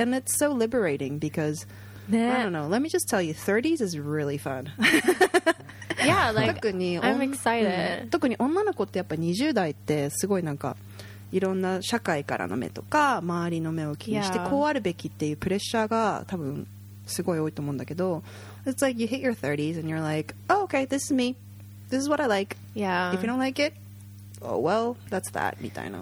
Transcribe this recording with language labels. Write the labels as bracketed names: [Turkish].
[English] And it's so liberating because、ね、I don't know, let me just tell you, 30s is really fun. Yeah, like, I'm excited. [Japanese] 特に女の子ってやっぱ20代ってすごいなんかいろんな社会からの目とか周りの目を気にしてこうあるべきっていうプレッシャーが多分すごい多いと思うんだけど、yeah. [English] It's like you hit your 30s and you're like, oh, okay, this is me. This is what I like. Yeah. If you don't like it, oh well, that's that, みたいな。